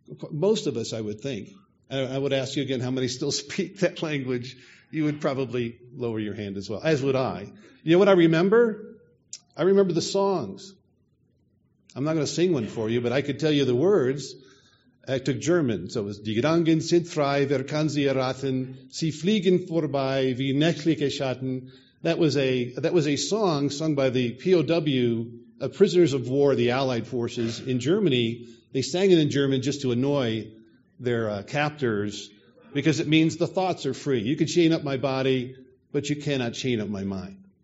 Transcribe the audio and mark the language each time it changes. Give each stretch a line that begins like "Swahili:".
English: Most of us, I would think. I would ask you again, how many still speak that language? You would probably lower your hand as well, as would I. You know what I remember? I remember the songs. I'm not going to sing one for you, but I could tell you the words. I took German, so it was
German: Die Gedanken sind frei, wer kann sie erraten, sie fliegen vorbei wie nächtliche Schatten.
English: That was a song sung by the POW, prisoners of war, the Allied forces in Germany. They sang it in German just to annoy their captors, because it means the thoughts are free. You can chain up my body, but you cannot chain up my mind.